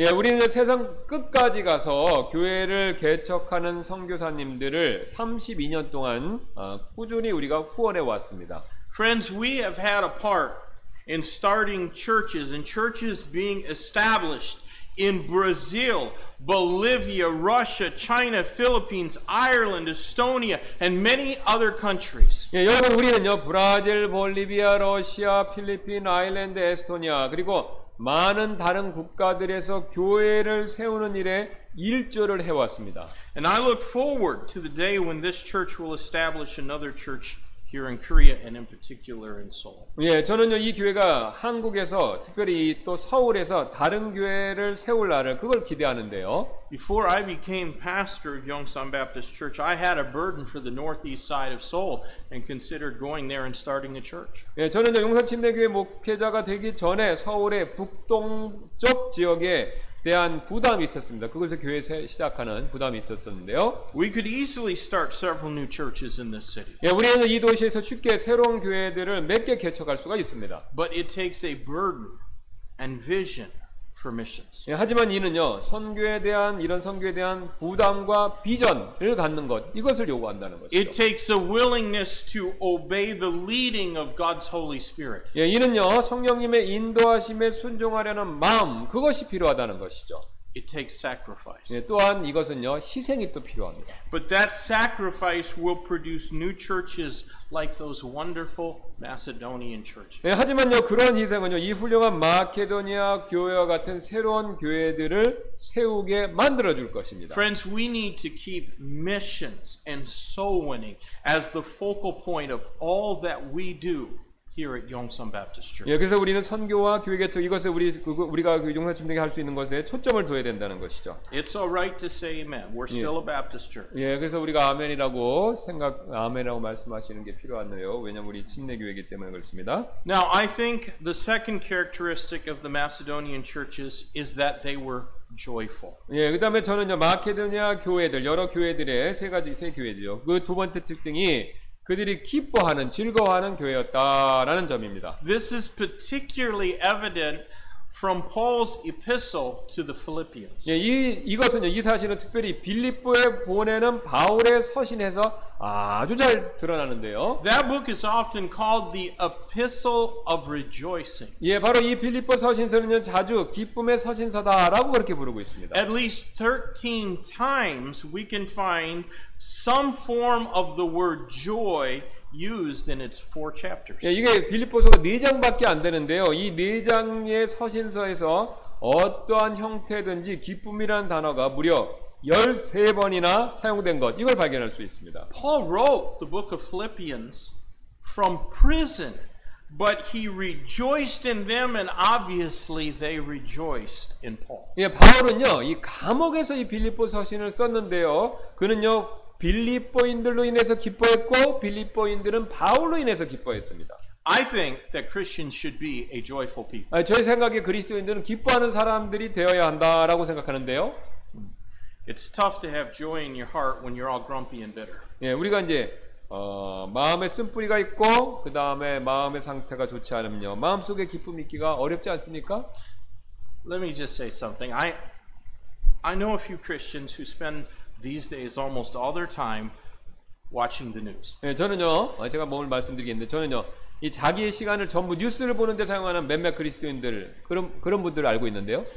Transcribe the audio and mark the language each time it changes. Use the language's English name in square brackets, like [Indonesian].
[Korean] 예, 우리는 세상 끝까지 가서 교회를 개척하는 선교사님들을 32년 동안 꾸준히 우리가 후원해 왔습니다. [English] Friends, we have had a part in starting churches and churches being established. In Brazil, Bolivia, Russia, China, Philippines, Ireland, Estonia, and many other countries. [Korean] 예, 여러분 우리는요 브라질, 볼리비아, 러시아, 필리핀, 아일랜드, 에스토니아 그리고 많은 다른 국가들에서 교회를 세우는 일에 일조를 해왔습니다. [English] And I look forward to the day when this church will establish another church here in Korea and in particular in Seoul. [Korean] 예, 저는요 이 교회가 한국에서 특별히 또 서울에서 다른 교회를 세울 날을 그걸 기대하는데요. [English] Before I became pastor of Yongsan Baptist Church, I had a burden for the northeast side of Seoul and considered going there and starting a church. [Korean] 예, 저는요 용산 침례교회 목회자가 되기 전에 서울의 북동쪽 지역에 대한 부담이 있었습니다. 그것을 교회에 시작하는 부담이 있었었는데요. [English] We could easily start several new churches in this city. [Korean] 예, 우리는 이 도시에서 쉽게 새로운 교회들을 몇 개 개척할 수가 있습니다. [English] But it takes a burden and vision for missions. [Korean] 예, 하지만 이는요, 선교에 대한 부담과 비전을 갖는 것, 이것을 요구한다는 것이죠. [English] It takes a willingness to obey the leading of God's Holy Spirit. [Korean] 예, 이는요, 성령님의 인도하심에 순종하려는 마음, 그것이 필요하다는 것이죠. [English] It takes sacrifice. [Korean] 예, 또한 이것은요, 희생이 또 필요합니다. [English] But that sacrifice will produce new churches like those wonderful Macedonian churches. [Korean] 예, 하지만요, 그런 희생은요, 이 훌륭한 마케도니아 교회와 같은 새로운 교회들을 세우게 만들어 줄 것입니다. [English] Friends, we need to keep missions and soul winning as the focal point of all that we do. Here at Yongsan Baptist Church. [Korean] 예, 그래서 우리는 선교와 교회 개척 이것에 우리가 용산 침례교회 할 수 있는 것에 초점을 둬야 된다는 것이죠. [English] It's all right to say amen. We're still a Baptist church. [Korean] 예, 그래서 우리가 아멘이라고 말씀하시는 게 필요하네요. 왜냐면 우리 침례교회이기 때문에 그렇습니다. [English] Now I think the second characteristic of the Macedonian churches is that they were joyful. [Korean] 예, 그다음에 저는요 마케도니아 교회들 여러 교회들의 세 교회들요. 그 두 번째 특징이 그들이 기뻐하는 즐거워하는 교회였다라는 점입니다. [English] This is particularly evident from Paul's epistle to the Philippians. [Korean] 예, 이것은요, 이 사실은 특별히 빌립보에 보내는 바울의 서신에서 아주 잘 드러나는데요. [English] That book is often called the Epistle of Rejoicing. [Korean] 예, 바로 이 빌립보 서신서는요, 자주 기쁨의 서신서다라고 그렇게 부르고 있습니다. [English] At least 13 times we can find some form of the word joy used in its four chapters. [Korean] 예, 이게 빌립보서가 네 장밖에 안 되는데요. 이 네 장의 서신서에서 어떠한 형태든지 기쁨이라는 단어가 무려 13번이나 사용된 것 이걸 발견할 수 있습니다. [English] Paul wrote the book of Philippians from prison, but he rejoiced in them and obviously they rejoiced in Paul. [Korean] 예, 바울은요. 이 감옥에서 이 빌립보 서신을 썼는데요. 그는요. 빌립보인들로 인해서 기뻐했고 빌립보인들은 바울로 인해서 기뻐했습니다. [English] I think that Christians should be a joyful people. [Korean] 저의 생각에 그리스도인들은 기뻐하는 사람들이 되어야 한다라고 생각하는데요. [English] It's tough to have joy in your heart when you're all grumpy and bitter. [Korean] 예, 우리가 이제 마음에 쓴뿌리가 있고 그 다음에 마음의 상태가 좋지 않으면요, 마음 속에 기쁨 있기가 어렵지 않습니까? [English] Let me just say something. I know a few Christians who spend these days almost all their time watching the news. [Korean] 예, 저는요. 제가 뭘 말씀드리겠는데 저는요. 이 자기의 시간을 전부 뉴스를 보는 데 사용하는 몇몇 그리스도인들 그런 분들을 알고 있는데요.